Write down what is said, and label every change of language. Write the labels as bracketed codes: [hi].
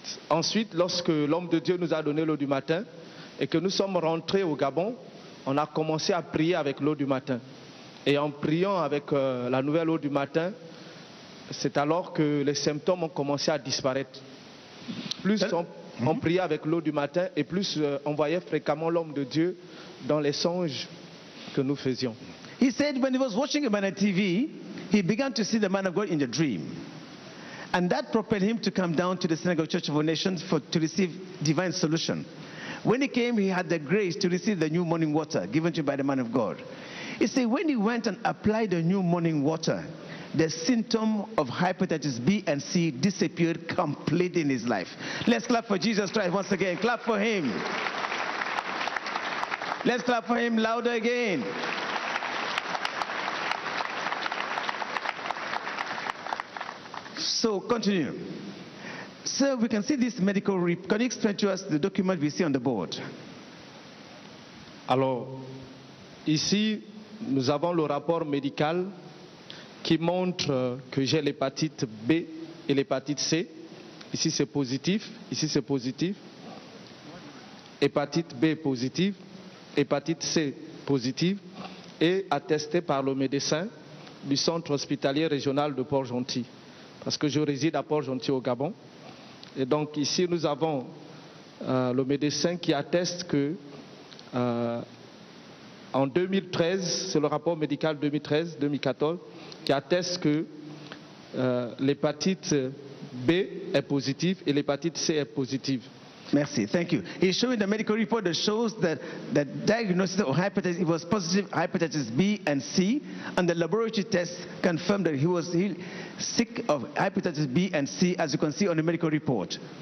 [fr] Ensuite, lorsque l'homme de Dieu nous a donné l'eau du matin et que nous sommes rentrés au Gabon, on a commencé à prier avec l'eau du matin. Et en priant avec la nouvelle eau du matin, c'est alors que les symptômes ont commencé à disparaître. Plus on priait avec l'eau du matin et plus on voyait fréquemment l'homme de Dieu dans les songes que nous faisions. [en] He said when he was watching a man on TV, he began to see the man of God in the dream. And that propelled him to come down to the Synagogue Church of Our Nations to receive divine solution. When he came, he had the grace to receive the new morning water given to him by the man of God. He said when he went and applied the new morning water, the symptom of hepatitis B and C disappeared completely in his life. Let's clap for Jesus Christ once again. Clap for him. Let's clap for him louder again. So continue. So we can see this medical report. Can you explain to us the document we see on the board? [fr] Alors, ici, nous avons le rapport médical qui montre que j'ai l'hépatite B et l'hépatite C. Ici, c'est positif. Ici, c'est positif. Hépatite B positif. Hépatite C positif. Et attesté par le médecin du centre hospitalier régional de Port-Gentil. Parce que je réside à Port-Gentil au Gabon. Et donc ici, nous avons le médecin qui atteste que en 2013, c'est le rapport médical 2013-2014, qui atteste que l'hépatite B est positive et l'hépatite C est positive. Merci, [en] thank you. He's showing the medical report that shows that the diagnosis of hepatitis, it was positive hepatitis B and C, and the laboratory tests confirmed that he was sick of hepatitis B and C, as you can see on the medical report.